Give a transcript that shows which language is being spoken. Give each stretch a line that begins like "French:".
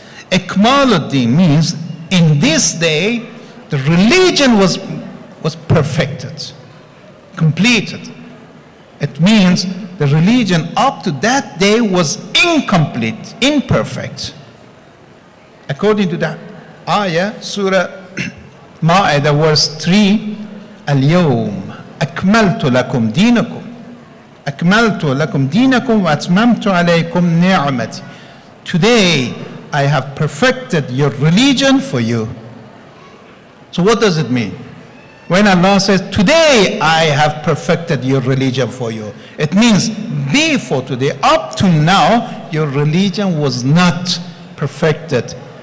English: Ikmal al-Din means in this day the religion was perfected, completed. It means the religion up to that day was incomplete, imperfect. According to that ayah, Surah Ma'idah, verse 3,
Arabic: Al-Yawm أكملت لكم دينكم أكملت لكم دينكم وأتممت عليكم نعمتي.
English: Today, I have perfected your religion for you. So what does it mean? When Allah says, today I have perfected your religion for you, it means before today, up to now, your religion was not perfected.